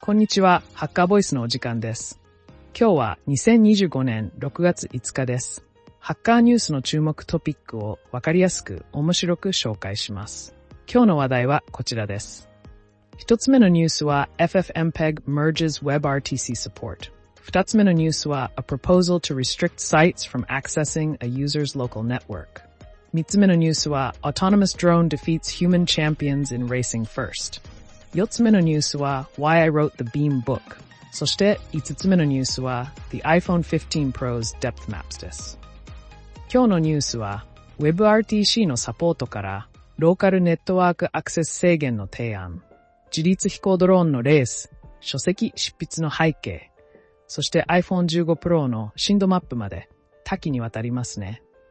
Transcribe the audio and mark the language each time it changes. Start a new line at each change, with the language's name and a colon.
Japanese: こんにちは、ハッカーボイスのお時間です。今日は2025年6月5日です。ハッカーニュースの注目トピックをわかりやすく面白く紹介します。
English: 今日の話題はこちらです。
Japanese: 一つ目のニュースは
English: FFmpeg merges WebRTC support。
Japanese: 二つ目のニュースは
English: A proposal to restrict sites from accessing a user's local network。
Japanese: 三つ目のニュースは
English: Autonomous drone defeats human champions in racing first。
Japanese: 四つ目のニュースは
English: Why I wrote the Beam book。
Japanese: そして五つ目のニュースは
English: The iPhone 15 Pro's depth maps
Japanese: です。今日のニュースは WebRTC のサポートからローカルネットワークアクセス制限の提案、自立飛行ドローンのレース、書籍執筆の背景、そして iPhone 15 Pro の震度マップまで多岐にわたりますね。